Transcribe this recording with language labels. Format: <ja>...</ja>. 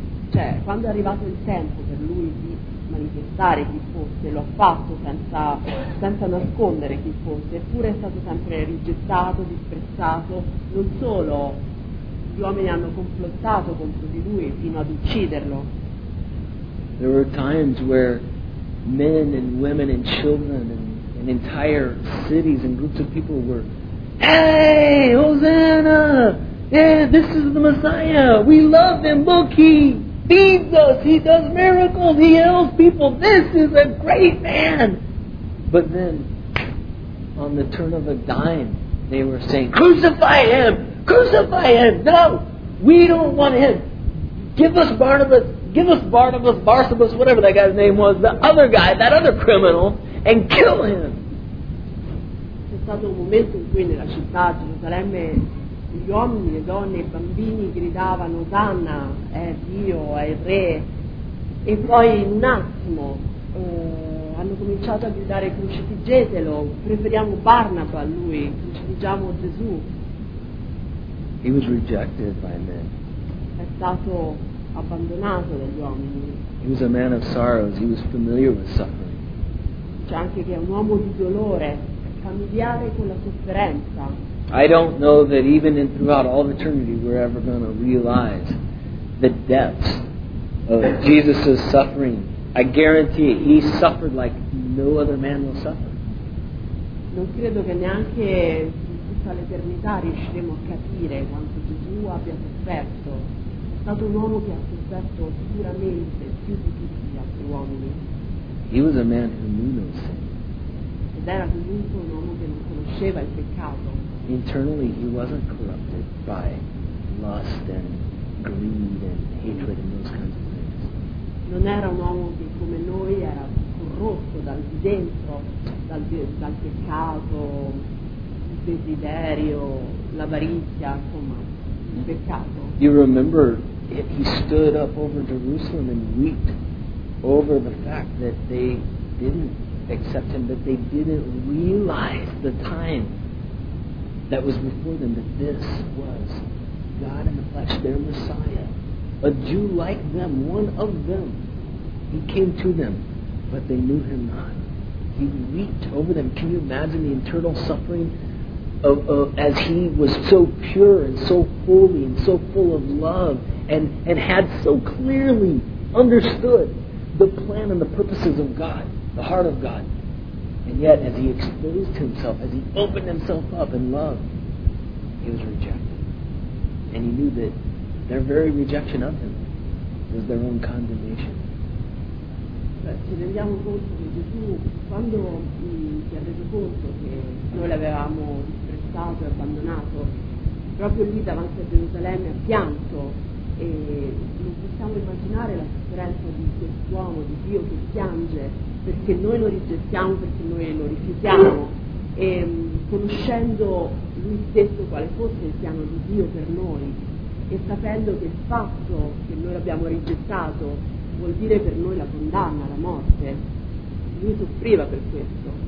<it>Cioè, quando è arrivato il tempo per lui di manifestare chi fosse, lo ha fatto senza nascondere chi fosse, eppure è stato sempre rigettato, disprezzato. Non solo, gli uomini hanno complottato contro di lui fino ad ucciderlo.</it> <en>There were times where men and women and children and entire cities and groups of people were, hey, Hosanna, yeah, this is the Messiah, we love him, look, he feeds us, he does miracles, he heals people, this is a great man. But then, on the turn of a dime, they were saying, crucify him! Crucify him! No! We don't want him! Give us Barnabas, give us Barnabas, Barsabas, whatever that guy's name was, the other guy, that other criminal, and kill him!</en> <it>C'è stato un momento in cui nella città di Gerusalemme gli uomini, le donne, i bambini gridavano Osanna, è Dio, è il re, e poi in un attimo hanno cominciato a gridare crucifiggetelo, preferiamo Barnaba a lui, crucifiggiamo Gesù.</it> <en>He was rejected by men.</en> <it>È stato abbandonato dagli uomini.</it> <en>He was a man of sorrows, he was familiar with suffering.</en> <it>C'è anche che è un uomo di dolore, familiare con la sofferenza.</it> <en>I don't know that even in throughout all eternity we're ever going to realize the depths of Jesus' suffering. I guarantee it, he suffered like no other man will suffer.</en> <it>Non credo che neanche in tutta l'eternità riusciremo a capire quanto Gesù abbia sofferto. È stato un uomo che ha sofferto sicuramente più di tutti gli altri uomini.</it> <en>He was a man who knew no sin.</en> <it>Ed era comunque un uomo che non conosceva il peccato.</it> <en>Internally, he wasn't corrupted by lust and greed and hatred and those kinds of things.</en> <it>Non era un uomo che come noi era corrotto dal di dentro, dal peccato, il desiderio, l'avarizia, insomma, il peccato.</it> <en>You remember he stood up over Jerusalem and wept over the fact that they didn't accept him, that they didn't realize the time that was before them, that this was God in the flesh, their Messiah, a Jew like them, one of them. He came to them, but they knew him not. He wept over them. Can you imagine the internal suffering of as he was so pure and so holy and so full of love and had so clearly understood the plan and the purposes of God, the heart of God. And yet, as he exposed himself, as he opened himself up in love, he was rejected. And he knew that their very rejection of him was their own condemnation.</en> <it>Ci rendiamo conto che Gesù, quando si è reso conto che noi l'avevamo disprezzato e abbandonato, proprio lì davanti a Gerusalemme ha pianto. E non possiamo immaginare la sofferenza di quest'uomo, di Dio che piange, perché noi lo rigettiamo, perché noi lo rifiutiamo, e conoscendo lui stesso quale fosse il piano di Dio per noi, e sapendo che il fatto che noi l'abbiamo rigettato vuol dire per noi la condanna, la morte, lui soffriva per questo.</it>